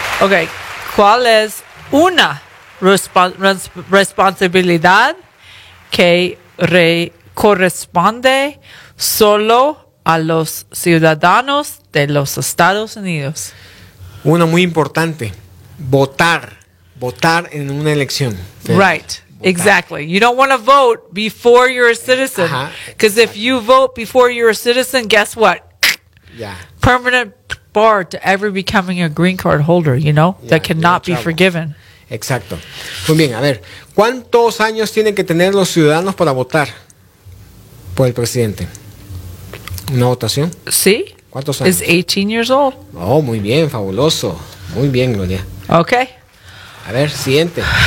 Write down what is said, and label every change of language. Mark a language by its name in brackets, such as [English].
[Spanish] Ok, ¿cuál es una responsabilidad que corresponde solo a los ciudadanos de los Estados Unidos? Una muy importante, votar en una elección. [English] Right. Exactly. You don't want to vote before you're a citizen. Because if you vote before you're a citizen, guess what? Yeah. Permanent bar to ever becoming a green card holder, you know, yeah, that cannot be forgiven. [Spanish] Exacto. Muy bien, a ver, ¿cuántos años tienen que tener los ciudadanos para votar por el presidente? ¿Una votación? Sí. ¿Cuántos años? [English] Is 18 years old. [Spanish] Oh, muy bien, fabuloso. Muy bien, Gloria. [English] Okay. [Spanish] A ver, siguiente.